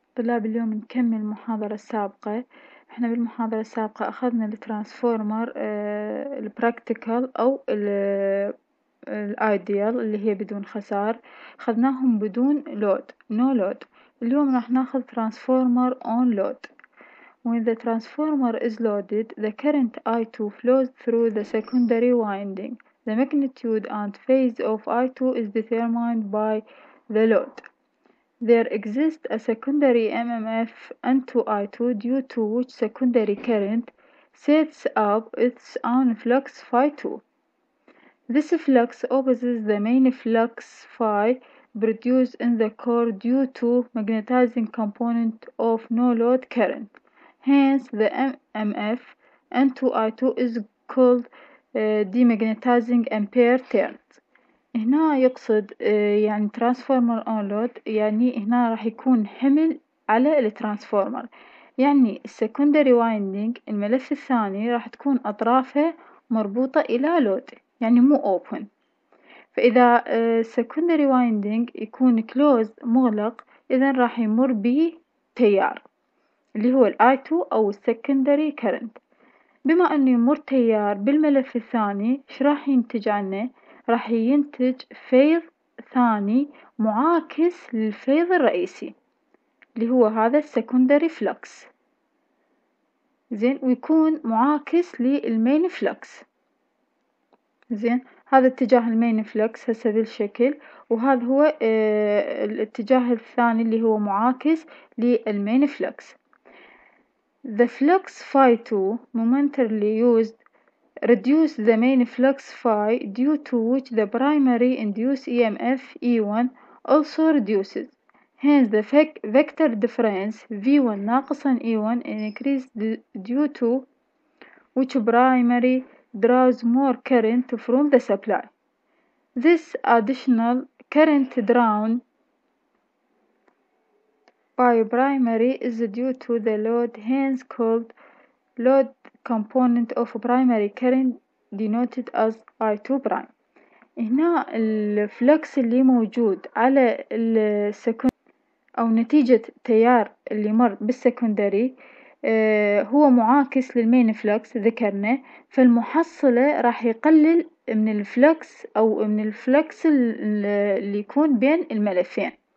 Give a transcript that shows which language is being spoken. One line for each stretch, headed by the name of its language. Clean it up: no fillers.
Arabic: طلاب اليوم نكمل المحاضرة السابقة. احنا بالمحاضرة السابقة اخذنا الترانسفورمر البراكتيكال او الايديال اللي هي بدون خسار، اخذناهم بدون لود، نو لود. اليوم راح ناخذ ترانسفورمر اون لود.
English: When the transformer is loaded, the current I2 flows through the secondary winding. The magnitude and phase of I2 is determined by the load. There exists a secondary MMF N2I2 due to which secondary current sets up its own flux phi2. This flux opposes the main flux phi produced in the core due to magnetizing component of no load current. Hence, the MMF N2I2 is called demagnetizing ampere turns.
Arabic: هنا يقصد يعني ترانسفورمر اون لود، يعني هنا راح يكون حمل على الترانسفورمر، يعني السكندري وايندينج الملف الثاني راح تكون اطرافه مربوطه الى لود، يعني مو اوبن. فاذا السكندري وايندينج يكون كلوز مغلق، اذا راح يمر بتيار اللي هو الاي 2 او السكندري كرنت. بما انه يمر تيار بالملف الثاني، ايش راح ينتج عنه؟ راح ينتج فيض ثاني معاكس للفيض الرئيسي اللي هو هذا السكندري فلكس، زين، ويكون معاكس للمين فلكس، زين. هذا اتجاه المين فلكس هسه بالشكل، وهذا هو الاتجاه الثاني اللي هو معاكس للمين فلكس.
English: The flux phi 2 momentarily used reduce the main flux phi due to which the primary induced EMF E1 also reduces. Hence the vector difference V1
Arabic: ناقصا
English: E1 increased due to which primary draws more current from the supply. This additional current drawn by primary is due to the load, hence called load component of primary current denoted as I2 prime.
Arabic: هنا الفلكس اللي موجود على السكن او نتيجة تيار اللي مر بالسكندري هو معاكس للمين فلكس ذكرنا، فالمحصلة راح يقلل من الفلكس او من الفلكس اللي يكون بين الملفين،